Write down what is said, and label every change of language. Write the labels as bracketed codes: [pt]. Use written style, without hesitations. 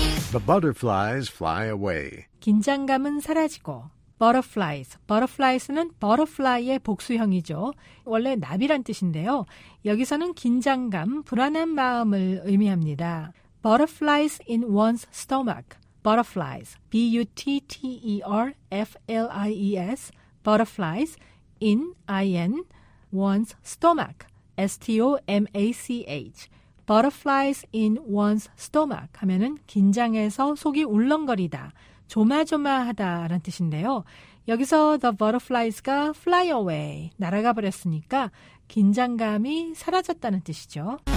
[en] The butterflies fly away. [ko] 긴장감은 사라지고. Butterflies. Butterflies는 butterfly의 복수형이죠. 원래 나비란 뜻인데요. 여기서는 긴장감, 불안한 마음을 의미합니다. [en] Butterflies in one's stomach. Butterflies. B-U-T-T-E-R-F-L-I-E-S. Butterflies in, I-N, one's stomach. S-T-O-M-A-C-H. [ko] Butterflies in one's stomach 하면은 긴장해서 속이 울렁거리다. 조마조마하다라는 뜻인데요. 여기서 the butterflies가 fly away, 날아가 버렸으니까 긴장감이 사라졌다는 뜻이죠.